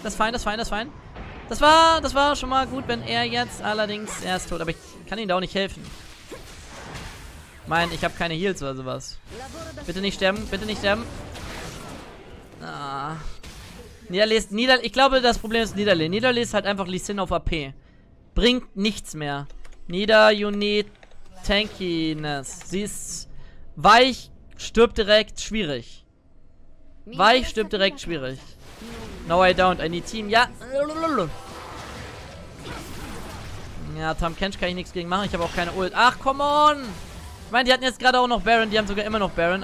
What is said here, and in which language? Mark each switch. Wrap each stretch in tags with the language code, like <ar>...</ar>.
<de>Das ist fein, das ist fein, das ist fein. Das war schon mal gut, wenn er jetzt allerdings erst tot. Aber ich kann ihm da auch nicht helfen. Ich habe keine Heals oder sowas. Bitte nicht sterben, bitte nicht sterben. Ah. Ich glaube, das Problem ist Nidalee. Nidalee ist halt einfach Lee Sin auf AP. Bringt nichts mehr.</de> <en>Nida, you need tankiness.</en> <de>Sie ist weich, stirbt direkt, schwierig. Weich, stirbt direkt, schwierig.</de> <en>No, I don't. I need team. Ja.</en> <de>Ja, Tam Kench kann ich nichts gegen machen. Ich habe auch keine Ult. Ach,</de> <en>come on.</en> <de>Ich meine, die hatten jetzt gerade auch noch Baron. Die haben sogar immer noch Baron.</de>